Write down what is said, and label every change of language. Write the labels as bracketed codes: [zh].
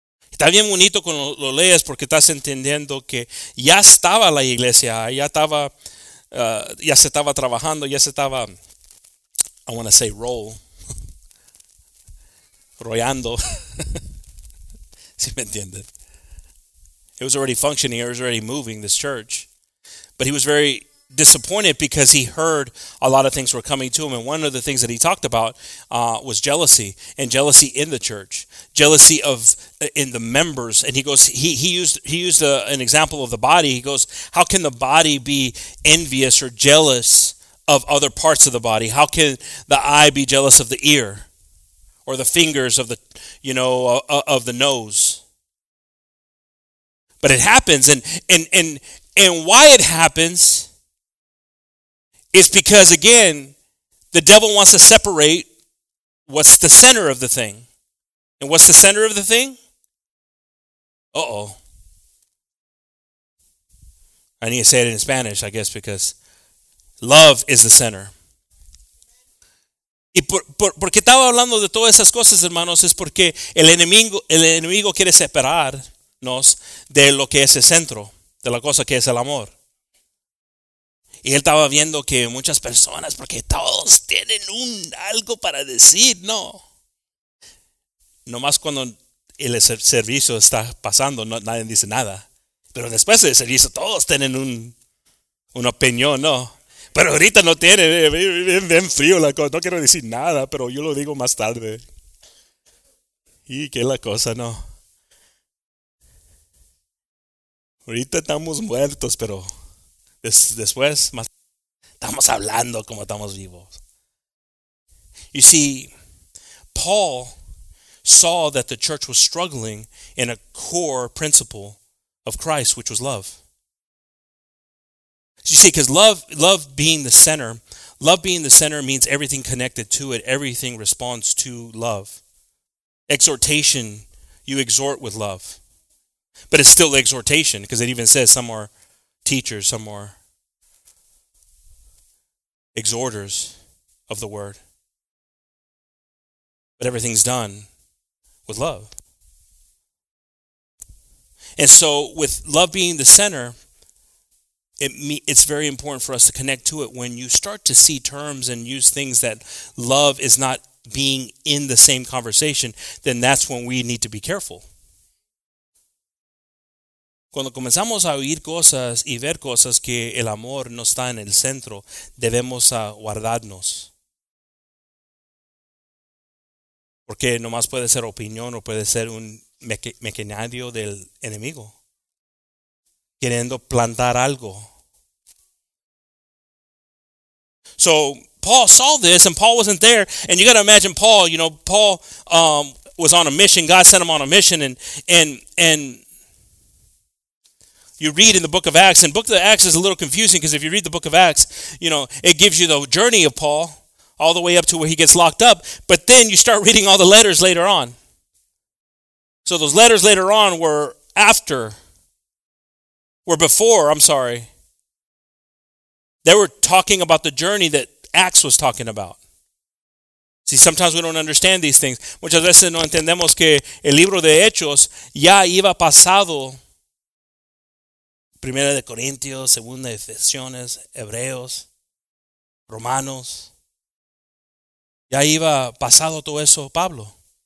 [es] Está bien bonito cuando lo lees, porque estás entendiendo que ya estaba la iglesia ahí, ya se estaba trabajando, ya se estaba, [en] I want to say roll, [es] rollando, si me entienden. [en] It was already functioning, it was already moving, this church. But he was very disappointed because he heard a lot of things were coming to him. And one of the things that he talked about was jealousy, and jealousy in the church, jealousy of in the members. And he goes, he used an example of the body. He goes, how can the body be envious or jealous of other parts of the body? How can the eye be jealous of the ear or the fingers of the, you know, of the nose? But it happens. And why it happens is because, again, the devil wants to separate what's the center of the thing. And what's the center of the thing? Uh-oh. I need to say it in Spanish, I guess, because love is the center. [es] Y por qué estaba hablando de todas esas cosas, hermanos, es porque el enemigo quiere separarnos de lo que es el centro, de la cosa que es el amor. Y él estaba viendo que muchas personas, porque todos tienen un algo para decir, no. Nomás cuando el servicio está pasando, no, nadie dice nada. Pero después del servicio, todos tienen una opinión, no. Pero ahorita no tienen, bien frío la cosa. No quiero decir nada, pero yo lo digo más tarde. Y qué la cosa, no. Ahorita estamos muertos, pero después más estamos hablando como estamos vivos. [en] You see, Paul saw that the church was struggling in a core principle of Christ, which was love. You see, because love being the center, love being the center means everything connected to it, everything responds to love. Exhortation, you exhort with love. But it's still exhortation, because it even says some are teachers, some are exhorters of the word. But everything's done with love. And so with love being the center, it's very important for us to connect to it. When you start to see terms and use things that love is not being in the same conversation, then that's when we need to be careful. [es] Cuando comenzamos a oír cosas y ver cosas que el amor no está en el centro, debemos guardarnos. Porque nomás puede ser opinión o puede ser un mecanario del enemigo, queriendo plantar algo. [en] So Paul saw this and Paul wasn't there. And you got to imagine Paul, you know, Paul was on a mission. God sent him on a mission and you read in the book of Acts, and book of Acts is a little confusing because if you read the book of Acts, you know, it gives you the journey of Paul all the way up to where he gets locked up. But then you start reading all the letters later on. So those letters later on were before. They were talking about the journey that Acts was talking about. See, sometimes we don't understand these things. [es] Muchas veces no entendemos que el libro de Hechos ya iba pasado. Primera de Corintios, Segunda de Efesiones, Hebreos, Romanos. Ya iba pasado todo eso, Pablo.